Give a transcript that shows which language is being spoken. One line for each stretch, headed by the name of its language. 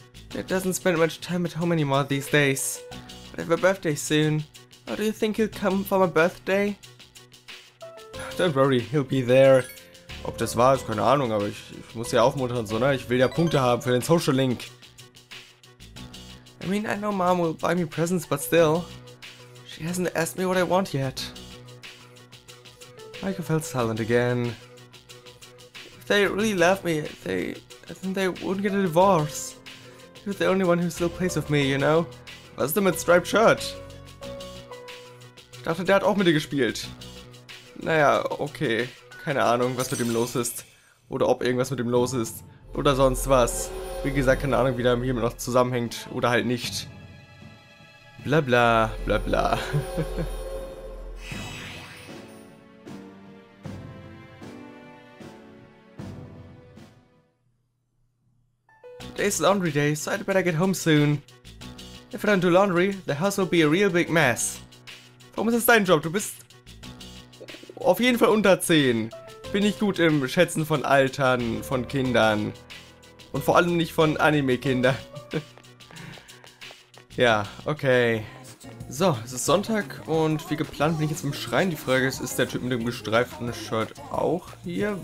English: Dad doesn't spend much time at home anymore these days. But I have a birthday soon. How do you think he'll come for my birthday? Don't worry, he'll be there.
German: Ob das wahr ist, keine Ahnung, aber ich muss ja aufmuntern, so, ne? Ich will ja Punkte haben für den Social Link.
English: I mean, I know Mom will buy me presents, but still. She hasn't asked me what I want yet. Michael felt silent again. If they really love me, I think they wouldn't get a divorce. You're the only one who still plays with me, you know?
German: Was ist denn mit Striped Shirt? Ich dachte, der hat auch mit dir gespielt. Naja, okay. Keine Ahnung, was mit ihm los ist. Oder ob irgendwas mit ihm los ist. Oder sonst was. Wie gesagt, keine Ahnung, wie der hier noch zusammenhängt. Oder halt nicht. Bla bla, bla bla.
English: Today's laundry day, so I'd better get home soon. If I don't do laundry, the house will be a real big mess.
German: Warum ist das dein Job? Du bist... Auf jeden Fall unter 10. Bin ich gut im Schätzen von Altern, von Kindern. Und vor allem nicht von Anime-Kindern. Ja, okay. So, es ist Sonntag und wie geplant bin ich jetzt im Schrein. Die Frage ist der Typ mit dem gestreiften Shirt auch hier?